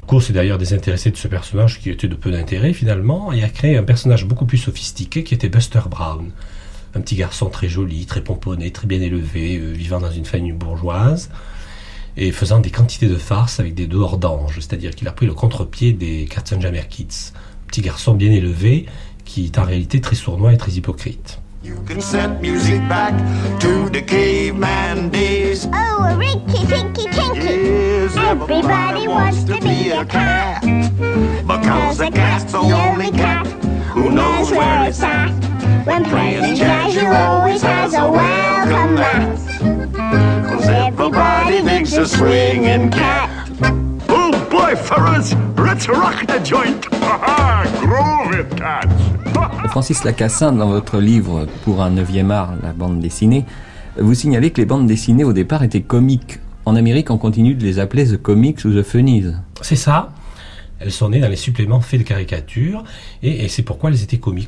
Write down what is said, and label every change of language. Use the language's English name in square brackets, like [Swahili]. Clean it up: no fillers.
[French] Cole s'est d'ailleurs désintéressé de ce personnage qui était de peu d'intérêt finalement, et a créé un personnage beaucoup plus sophistiqué qui était Buster Brown. Un petit garçon très joli, très pomponné, très bien élevé, vivant dans une famille bourgeoise, et faisant des quantités de farces avec des dehors d'anges, c'est-à-dire qu'il a pris le contre-pied des Katzenjammer Kids. Petit garçon bien élevé, qui est en réalité très sournois et très hypocrite. [English] You can set music back to the caveman days. Oh, a rinky-tinky-tinky. Yes, everybody wants to be a cat. Because a cat's the only cat who knows where it's at. When playing jazz, you always has a welcome mat. Cause everybody thinks a swinging cat. Oh boy, fellas, let's rock the joint. Ha-ha, groove it, cats. [French] Francis Lacassin, dans votre livre « Pour un 9e art, la bande dessinée », vous signalez que les bandes dessinées au départ étaient comiques. En Amérique, on continue de les appeler « The Comics » ou « The Funnies ». C'est ça. Elles sont nées dans les suppléments faits de caricatures, et c'est pourquoi elles étaient comiques.